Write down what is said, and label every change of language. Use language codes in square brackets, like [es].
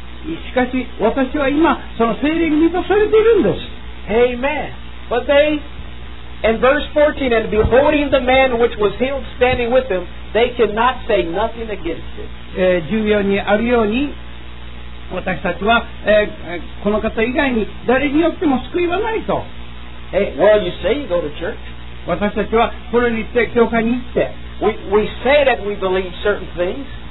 [ja] しかし私は今その聖霊に満たされているんです [en] Amen But they In verse 14 And beholding the man which was healed standing with them They cannot say nothing against it [ja] 14にあるように私たちは、この方以外に誰によっても救いはないと。 [en] Well, you say you go to church. [ja] 私たちはこれに行って教会に行って。 [en] We say that we believe certain things.